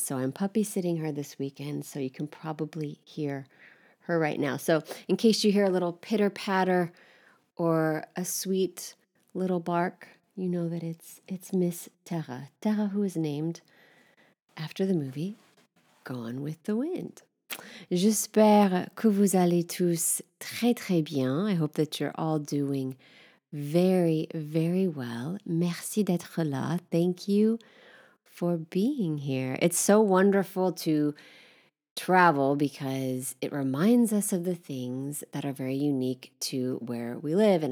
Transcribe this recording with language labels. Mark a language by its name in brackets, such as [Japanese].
[English] So I'm puppy sitting her this weekend, so you can probably hear her right now. So in case you hear a little pitter patter or a sweet little bark, you know that it's Miss Tara. Tara, who is named after the movie Gone with the Wind. [French] J'espère que vous allez tous très très bien. [English] I hope that you're all doing very, very well. [French] Merci d'être là. [English] Thank you for being here. It's so wonderful to travel because it reminds us of the things that are very unique to where we live.